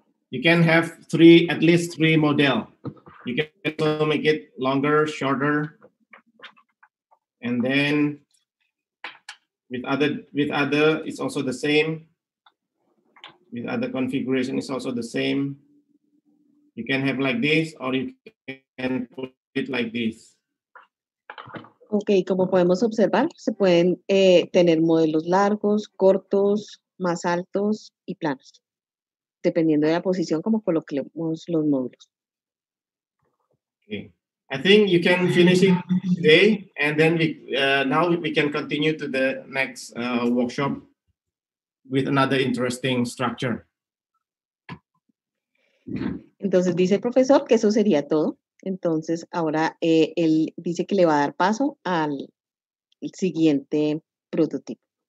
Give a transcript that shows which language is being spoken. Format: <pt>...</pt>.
<en>You can have three, at least three model. You can also make it longer, shorter, and then with other, it's also the same. With other configuration, it's also the same. You can have like this, or you can put it like this.</en> <es>Okay, como podemos observar, se pueden tener modelos largos, cortos, más altos y planos, dependiendo de la posición como coloquemos los módulos.</es> <en>Okay. I think you can finish it today, and then we now we can continue to the next workshop with another interesting structure.</en> <es>Entonces dice el profesor que eso sería todo. Entonces ahora él dice que le va a dar paso al el siguiente prototipo.</es>